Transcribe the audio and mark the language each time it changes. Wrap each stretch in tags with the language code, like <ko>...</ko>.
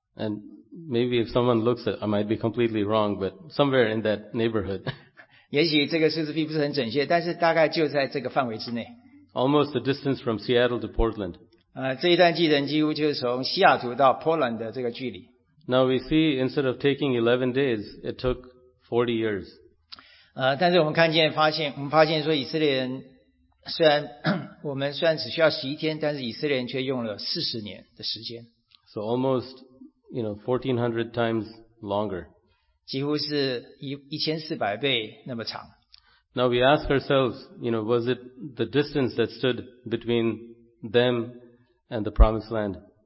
<en>And maybe if someone looks at, I might be completely wrong, but somewhere in that neighborhood.</en> <zh>也许这个数字并不是很准确，但是大概就在这个范围之内。</zh> <en>Almost the distance from Seattle to Portland.</en> <zh>这一段距离几乎就是从西雅图到波兰的这个距离。</zh> <en>Now we see instead of taking 11 days, it took 40 years.</en> <zh>但是我们看见发现，我们发现说以色列人虽然我们虽然只需要11天，但是以色列人却用了40年的时间。</zh> <en>So almost, you know, 1400 times longer.</en> <zh>几乎是1400倍那么长。</zh> <en>Now we ask ourselves, you know, was it the distance that stood between them and the Promised Land?</en>